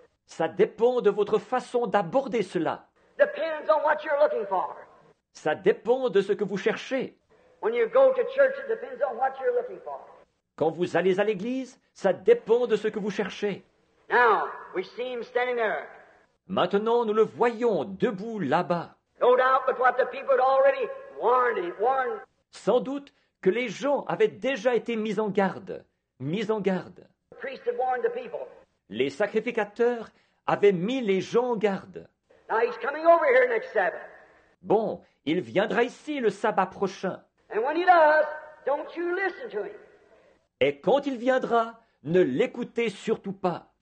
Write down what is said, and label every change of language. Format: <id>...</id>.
<fr>Ça dépend de votre façon d'aborder cela.</fr> <en>Depends on what you're looking for.</en> <fr>Ça dépend de ce que vous cherchez.</fr> <en>When you go to church, it depends on what you're looking for.</en> <fr>Quand vous allez à l'église, ça dépend de ce que vous cherchez.</fr> <en>Now, we see him standing there.</en> <fr>Maintenant, nous le voyons debout là-bas.</fr> <en>No doubt but what the people had already warned.</en> <fr>Sans doute que les gens avaient déjà été mis en garde.</fr> <en>The priest had warned the people.</en> <fr>Les sacrificateurs avaient mis les gens en garde.</fr> <en>Now he's coming over here next Sabbath.</en> <fr>Bon, il viendra ici le sabbat prochain.</fr> <en>And when he does, don't you listen to him.</en> <fr>Et quand il viendra, ne l'écoutez surtout pas.</fr>